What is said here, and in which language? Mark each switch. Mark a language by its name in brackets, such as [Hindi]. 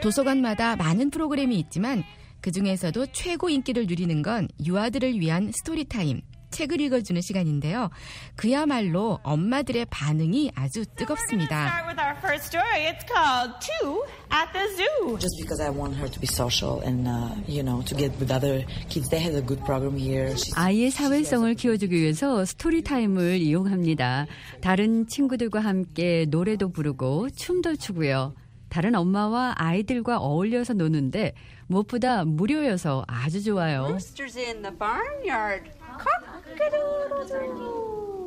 [Korean] 도서관마다 많은 프로그램이 있지만 그 중에서도 최고 인기를 누리는 건 유아들을 위한 스토리 타임, 책을 읽어주는 시간인데요. 그야말로 엄마들의 반응이 아주 뜨겁습니다. [English] So we're going to start with our first story. It's called Two at the Zoo. Just because I want her to be social and, you know, to get with other kids. They had a good program here. [Korean] 아이의 사회성을 키워주기 위해서 스토리 타임을 이용합니다. 다른 친구들과 함께 노래도 부르고 춤도 추고요. 다른 엄마와 아이들과 어울려서 노는데 무엇보다 무료여서 아주 좋아요. [English] Roosters in the barnyard. Cock-a-doodle-doo.